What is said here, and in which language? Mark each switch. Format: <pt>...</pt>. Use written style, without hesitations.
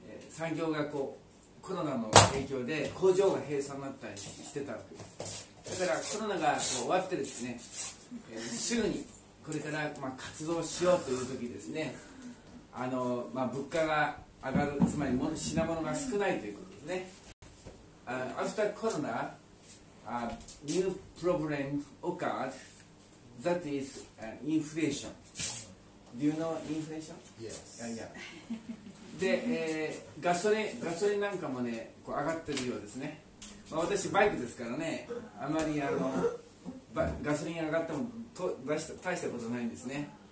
<ja>産業がこうコロナの影響で工場が閉鎖になったりしてたわけです。だからコロナがこう終わってですね、すぐにこれから、まあ、活動しようという時ですね、まあ、物価が上がる、つまり品物が少ないということですね。</ja> <en>After corona, a new problem occurred, that is inflation. Do you know inflation? Yes. Yeah, yeah.</en> <ja>で、ガソリンなんかもね、こう上がってるようですね。まあ、私バイクですからね、あまりガソリン上がっても大したことないんですね。</ja>